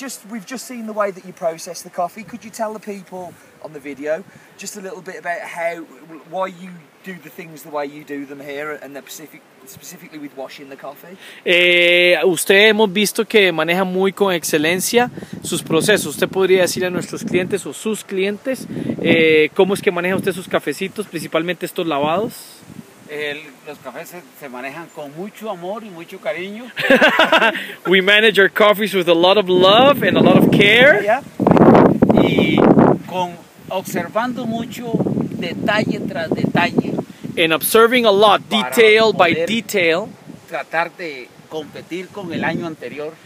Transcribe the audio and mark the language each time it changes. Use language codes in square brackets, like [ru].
[en] we've just seen the way that you process the coffee. Could you tell the people on the video just a little bit about why you do the things the way you do them here, and specifically with washing the coffee? [es] Usted, hemos visto que maneja muy con excelencia sus procesos. Usted podría decir a nuestros clientes o sus clientes cómo es que maneja usted sus cafecitos, principalmente estos lavados. Los cafés se manejan con mucho amor y mucho cariño. [en] We manage our coffees with a lot of love and a lot of care. Yeah. [es] Y con observando mucho detalle tras detalle. [en] And observing a lot, detail by detail. [es] Tratar de competir con el año anterior.